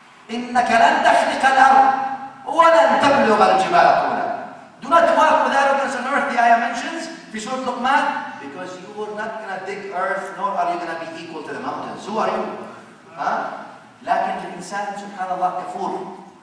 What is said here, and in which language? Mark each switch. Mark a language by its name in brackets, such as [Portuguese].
[Arabic] إنك لن تخلق الأرض ولن تبلغ الجبال طولا. [English] Do not walk with arrogance on earth, the ayah mentions, [Arabic] في سورة لقمان, [English] because you are not going to dig earth, nor are you going to be equal to the mountains. Who are you? Huh? [Arabic] لكن الإنسان سبحان الله كفور.